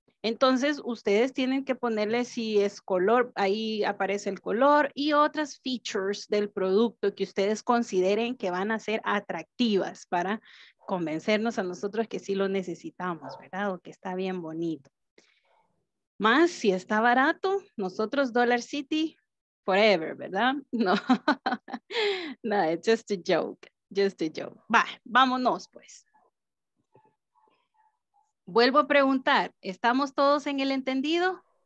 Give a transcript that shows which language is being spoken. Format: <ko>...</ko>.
<es>Entonces, ustedes tienen que ponerle si es color, ahí aparece el color y otras features del producto que ustedes consideren que van a ser atractivas para convencernos a nosotros que sí lo necesitamos, ¿verdad? O que está bien bonito. Más si está barato, nosotros Dollar City forever, ¿verdad?</es> <en>No, no, it's just a joke, just a joke.</en> <es>Va, vámonos pues. Vuelvo a preguntar, ¿estamos todos en el entendido?</es>